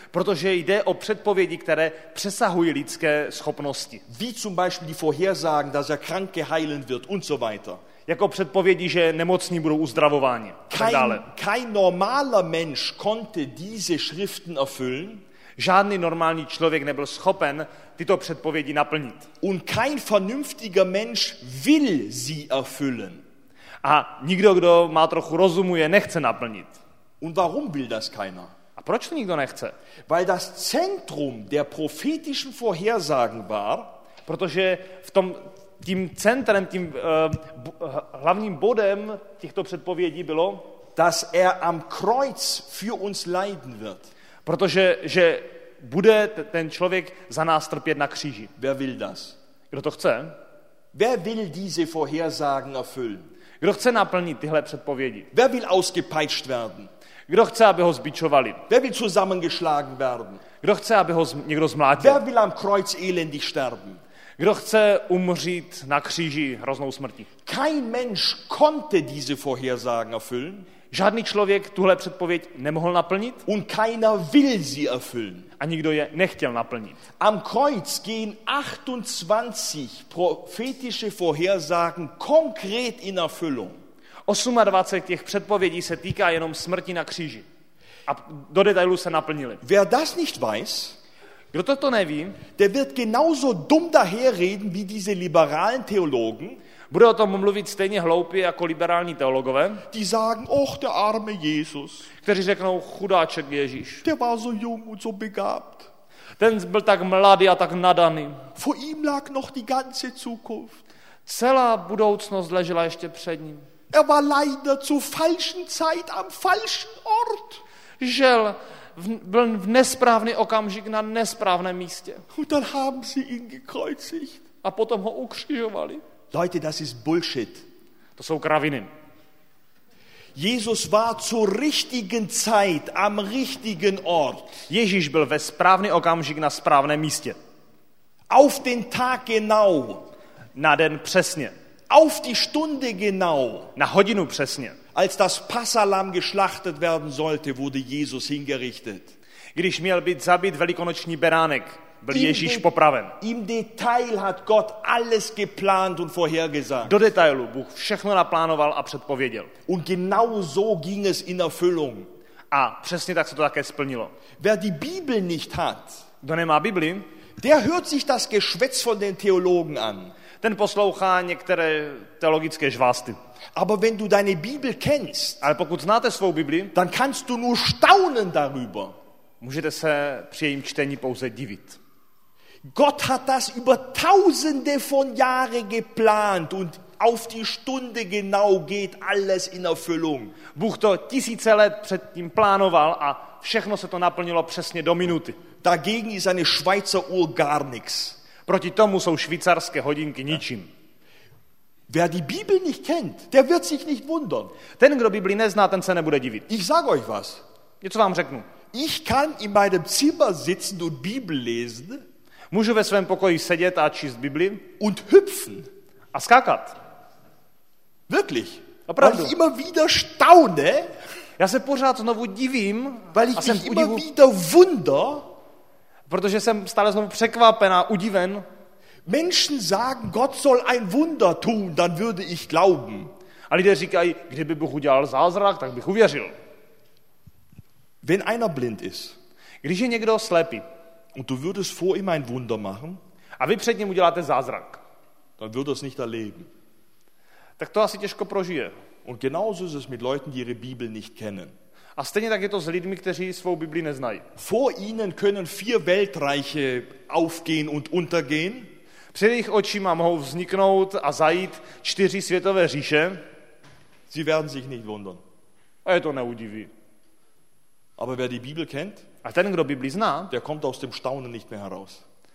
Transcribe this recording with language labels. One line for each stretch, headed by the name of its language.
Czech: Protože jde o předpovědi, které přesahují lidské schopnosti.
German: Wie zum Beispiel die Vorhersagen, dass er Kranke heilen wird und so weiter.
Czech: Jako předpovědi, že nemocní budou uzdravováni.
German: Kein normaler Mensch konnte diese Schriften erfüllen.
Czech: Žádný normální člověk nebyl schopen tyto předpovědi naplnit.
German: Und kein vernünftiger Mensch will sie erfüllen.
Czech: A nikdo, kdo má trochu rozumu, je nechce naplnit.
German: Und warum will das keiner?
Czech: A proč to nikdo nechce?
German: Weil das Zentrum der prophetischen Vorhersagen war,
Czech: Protože v tom tím centrem, tím hlavním bodem těchto předpovědí bylo,
German: dass er am Kreuz für uns leiden wird.
Czech: Protože že bude ten člověk za nás trpět na kříži.
German: Wer will das?
Czech: Kdo to chce?
German: Wer will diese Vorhersagen erfüllen?
Czech: Kdo chce naplnit tyhle předpovědi?
German: Wer will ausgepeitscht werden?
Czech: Kdo chce, aby ho zbičovali?
German: Wer will zusammengeschlagen werden?
Czech: Kdo chce, aby ho někdo zmlátil?
German: Wer will am Kreuz elendig sterben?
Czech: Kdo chce umřít na kříži hroznou smrtí?
German: Kein Mensch konnte diese Vorhersagen erfüllen.
Czech: Žádný člověk tuhle předpověď nemohl naplnit.
German: Und keiner will sie erfüllen.
Czech: A nikdo je nechtěl naplnit.
German: Am Kreuz gehen 28 prophetische Vorhersagen konkret in Erfüllung.
Czech: 28 těch předpovědí se týká jenom smrti na kříži. A do detailu se naplnili.
German: Wer das nicht weiß,
Czech: kdo toto neví,
German: der wird genauso dumm daherreden wie diese liberalen Theologen,
Czech: bude o tom mluvit stejně hloupě jako liberální teologové,
German: die sagen, och, der arme Jesus,
Czech: kteří řeknou, chudáček Ježíš,
German: der war so jung und so begabt,
Czech: ten byl tak mladý a tak nadaný,
German: vor ihm lag noch die ganze Zukunft,
Czech: celá budoucnost ležela ještě před ním,
German: er war leider zur falschen Zeit am falschen Ort,
Czech: žel, byl v nesprávný okamžik na nesprávném místě.
German: Und dann haben sie ihn gekreuzigt.
Czech: A potom ho ukřižovali.
German: Leute, das ist bullshit.
Czech: To jsou kraviny.
German: Jesus war zur richtigen Zeit am richtigen Ort.
Czech: Ježíš byl ve správný okamžik na správném místě.
German: Auf den Tag genau.
Czech: Na den přesně.
German: Auf die Stunde genau.
Czech: Na hodinu přesně.
German: Als das Passahlamm geschlachtet werden sollte, wurde Jesus hingerichtet.
Czech: Když měl být zabit velikonoční beránek, byl Ježíš popraven.
German: Im Detail hat Gott alles geplant und vorhergesagt.
Czech: Do detailu Bůh všechno naplánoval a předpověděl.
German: Und genau so ging es in Erfüllung.
Czech: A přesně tak se to také splnilo.
German: Wer die Bibel nicht hat,
Czech: kdo nemá Bibli,
German: der hört sich das Geschwätz von den Theologen an.
Czech: Ten poslouchá některé teologické žvásty.
German: Aber wenn du deine Bibel kennst,
Czech: ale pokud znáte svou Bibli,
German: dann kannst du nur staunen darüber.
Czech: Můžete se při jejím čtení pouze divit.
German: Gott hat das über tausende von Jahre geplant und auf die Stunde genau geht alles in Erfüllung.
Czech: Bůh to tisíce let předtím plánoval a všechno se to naplnilo přesně do minuty.
German: Dagegen ist eine Schweizer Uhr gar nichts.
Czech: Proti tomu jsou švýcarské hodinky ničím.
German: Wer die Bibel nicht kennt, der wird sich nicht wundern.
Czech: Ten, kdo Bibli nezná, ten se nebude divit.
German: Ich sage euch was.
Czech: Něco vám řeknu.
German: Ich kann in meinem Zimmer sitzen und Bibel lesen.
Czech: Můžu ve svém pokoji sedět a číst Bibli.
German: Und hüpfen.
Czech: A skákat.
German: Wirklich.
Czech: Opravdu.
German: Weil ich immer wieder staune.
Czech: Já se pořád znovu divím.
German: Weil ich mich immer wieder wunder.
Czech: Protože jsem stále znovu překvapen a udiven.
German: Menschen sagen, Gott soll ein Wunder tun, dann würde ich glauben.
Czech: A lidé říkají, kdyby Bůh udělal zázrak, tak bych uvěřil.
German: Wenn einer blind ist,
Czech: když je někdo slepý,
German: und du würdest vor ihm ein Wunder machen,
Czech: a vy před ním uděláte zázrak,
German: dann würde es nicht erleben.
Czech: Tak to asi těžko prožije.
German: Und genauso ist es mit Leuten, die ihre Bibel nicht kennen.
Czech: A stejně tak je to s lidmi, kteří svou Bibli neznají.
German: Vor ihnen können vier Weltreiche aufgehen und untergehen.
Czech: Před jejich očima mohou vzniknout a zajít čtyři světové říše.
German: Sie werden sich nicht wundern.
Czech: A je to neudiví.
German: Aber wer die Bibel kennt,
Czech: a ten, kdo Bibli zná,
German: der kommt aus dem Staunen nicht mehr heraus.